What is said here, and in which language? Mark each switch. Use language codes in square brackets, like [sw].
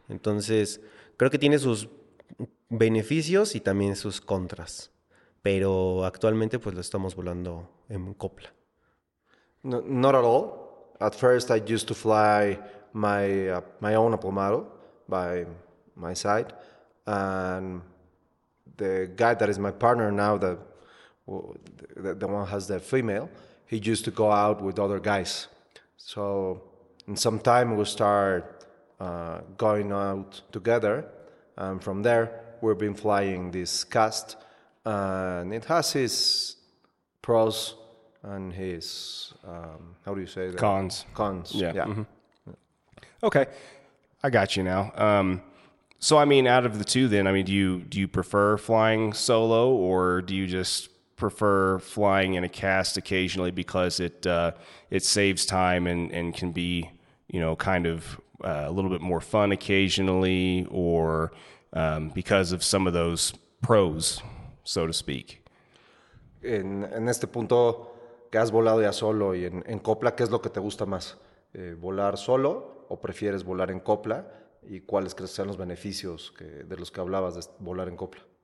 [es] Entonces, creo que tiene sus beneficios y también sus contras. Pero actualmente pues lo estamos volando en copla. [en] No, not at all. At first I used to fly my own aplomado by my side, and the guy that is my partner now, the one has the female, he used to go out with other guys. So in some time we start going out together, and from there we've been flying this cast, and it has its pros and his cons. Yeah. Mm-hmm. Okay, I got you now. So, I mean, out of the two then, I mean, do you prefer flying solo or do you just prefer flying in a cast occasionally because it saves time and can be, you know, kind of a little bit more fun occasionally or because of some of those pros, so to speak? [es] En este punto que has volado ya solo y en copla, ¿qué es lo que te gusta más? ¿Volar solo o prefieres volar en copla? ¿Y cuáles crees que sean los beneficios de los que hablabas de volar en copla?